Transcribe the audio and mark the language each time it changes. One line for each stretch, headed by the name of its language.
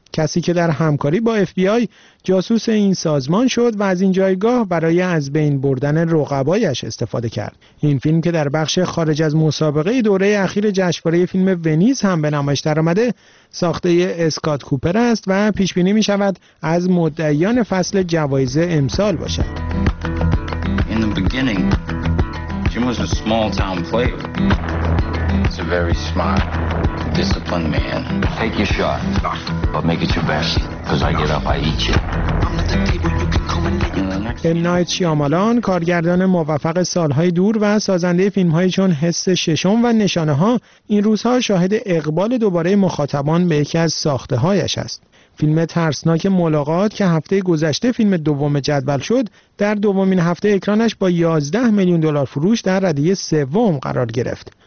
Persian: کسی که در همکاری با اف بی آی جاسوس این سازمان شد و از این جایگاه برای از بین بردن رقبایش استفاده کرد. این فیلم که در بخش خارج از مسابقه دوره اخیر جشنواره فیلم ونیز هم به نمایش درآمده، ساخته اسکات کوپر است و پیش بینی می شود از مدعیان فصل جوایز امسال باشد.
English: In the beginning, Jim was a small town player. He's a very smart, disciplined man. Take your shot, but make it your best, because I get up, I eat you. M.
Persian: Night Shyamalan, کارگردان موفق سالهای دور و سازنده فیلمهای چون حس ششم و نشانه ها، این روزها شاهد اقبال دوباره مخاطبان به یکی از ساخته هایش است. فیلم ترسناک ملاقات که هفته گذشته فیلم دوم جدول شد، در دومین هفته اکرانش با 11 میلیون دلار فروش در رده سوم قرار گرفت.